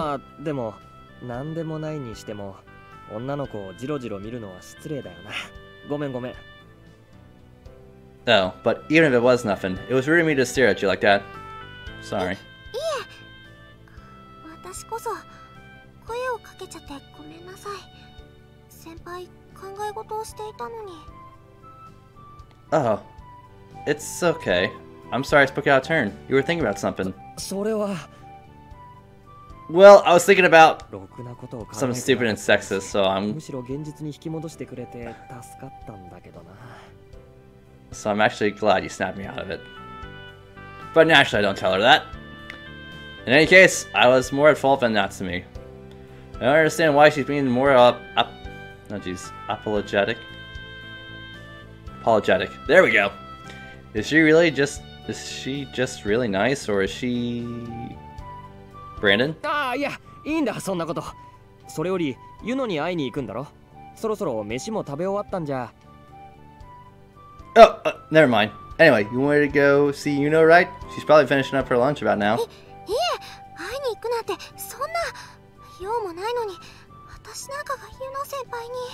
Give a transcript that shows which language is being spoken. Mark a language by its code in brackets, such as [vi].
[ja] あ、でも、なんでもないにしても、女の子をジロジロ見るのは失礼だよな。ごめんごめん。 [en] No, but even if it was nothing, it was rude of me to stare at you like that. Sorry. [ja] いえ、私こそ、声をかけちゃってごめんなさい。先輩、考え事をしていたのに。 [en] Oh, it's okay. I'm sorry I spoke out of turn. You were thinking about something. [ja] それは… [en] Well, I was thinking about something stupid and sexist, so I'm… [ja] むしろ現実に引き戻してくれて助かったんだけどな。 [en] So I'm actually glad you snapped me out of it. But naturally, I don't tell her that. In any case, I was more at fault than Natsumi. I don't understand why she's being more apologetic? Apologetic. There we go. Is she just really nice, or is she… Brandon? Ah, yeah, [ja] いいんだ、そんなこと。それより、ユノに会いに行くんだろ。そろそろ飯も食べ終わったんじゃ。 [en] Oh, never mind. Anyway, you wanted to go see Yuno, right? She's probably finishing up her lunch about now. [ja] いいえ、会いに行くなんて、そんな…用もないのに、私なんかがユノ先輩に…